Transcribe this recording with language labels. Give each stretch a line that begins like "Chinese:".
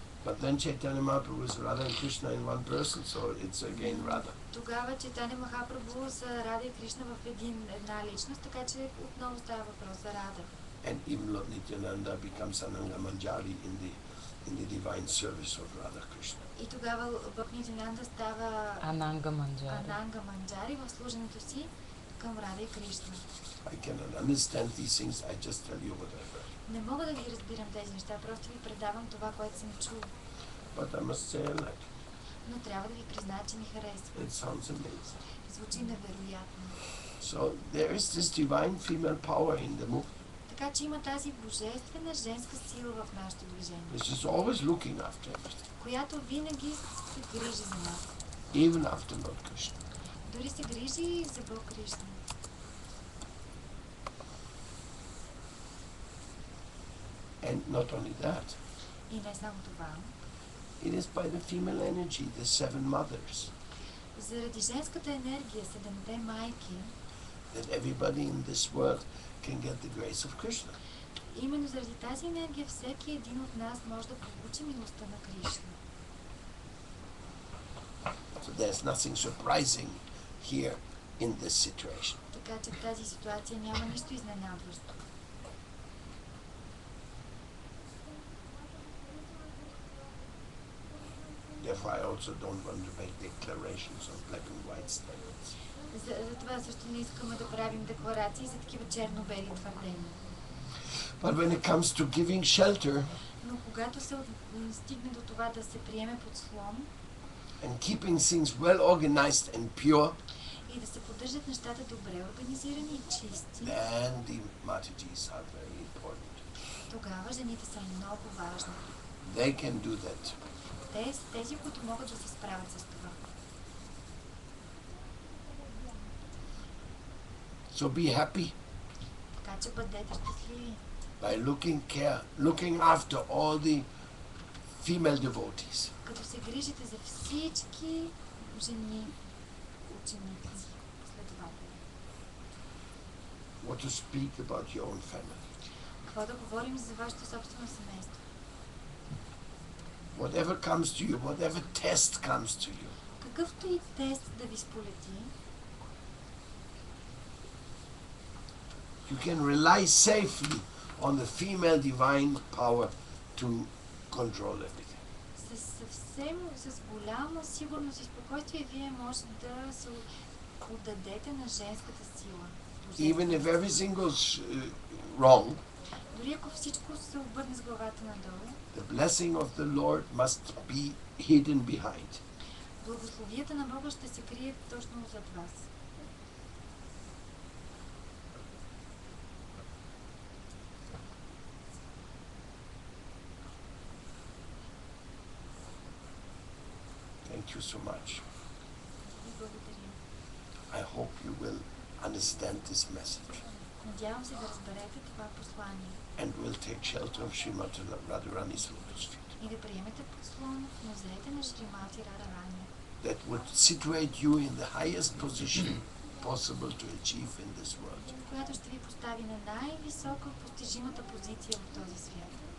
English: But then Chaitanya Mahaprabhu is Radha and Krishna in one person, so it's again Radha.
Bulgarian: Тогава Чайтани Махапрабху са Радха и Кришна в една личност, така че отново става въпрос за Радха.
English: And even Lord Nityananda becomes Ananga Manjari in the divine service of Radha Krishna.
Bulgarian: И тогава Бог Нитянанда става Ананга Манджари в служенето си към Радха и Кришна.
English: I cannot understand these things, I just tell you whatever.
Bulgarian: Не мога да ги разбирам тези неща, просто ви предавам това, което съм чул.
English: But I must say I like.
Bulgarian: Но трябва да ви призная, че ми харесва.
English: It sounds amazing.
Bulgarian: Звучи невероятно.
English: So there is this divine female power in the movement.
Bulgarian: Така че има тази божествена женска сила в нашето движение.
English: Which is always looking after everything.
Bulgarian: Която винаги се грижи за нас.
English: Even after Lord Krishna.
Bulgarian: Дори се грижи и за Бог Кришна.
English: And not only that.
Bulgarian: И не само това.
English: It is by the female energy, the seven mothers.
Bulgarian: Заради женската енергия, седемте майки.
English: That everybody in this world can get the grace of Krishna.
Bulgarian: Именно заради тази енергия всеки един от нас може да получи милостта на Кришна.
English: So there's nothing surprising here in this situation.
Bulgarian: Така че в тази ситуация няма нищо изненадващо.
English: Therefore, I also don't want to make declarations on black and white standards.
Bulgarian: Затова също не искаме да правим декларации за такива черно-бели твърдения.
English: But when it comes to giving shelter,
Bulgarian: но когато се стигне до това да се приеме под слон,
English: and keeping things well organized and pure,
Bulgarian: и да се поддържат нещата добре организирани и чисти,
English: then the matrijis are very important.
Bulgarian: Тогава жените са много важни.
English: They can do that.
Bulgarian: Тези, които могат да се справят с това.
English: So be happy.
Bulgarian: Така че бъдете щастливи.
English: By looking care, looking after all the female devotees.
Bulgarian: Като се грижите за всички жени ученици, следователи.
English: What to speak about your own family?
Bulgarian: Какво да говорим за вашето собствено семейство?
English: Whatever comes to you, whatever test comes to you.
Bulgarian: Какъвто и тест да ви сполети.
English: You can rely safely on the female divine power to control everything.
Bulgarian: Съвсем с голяма сигурност и спокойствие вие може да се отдадете на женската сила.
English: Even if everything goes wrong.
Bulgarian: Дори ако всичко се обърне с главата надолу.
English: The blessing of the Lord must be hidden behind.
Bulgarian: Благословията на Бога ще се крие точно зад вас.
English: Thank you so much.
Bulgarian: Благодаря.
English: I hope you will understand this message.
Bulgarian: Надявам се да разберете това послание.
English: And will take shelter of Srimati Radharani's lotus feet.
Bulgarian: И да приемете подслон в нозете на Шримати Радарани.
English: That would situate you in the highest position possible to achieve in this world.
Bulgarian: Която ще ви постави на най-висока постижимата позиция в този свят.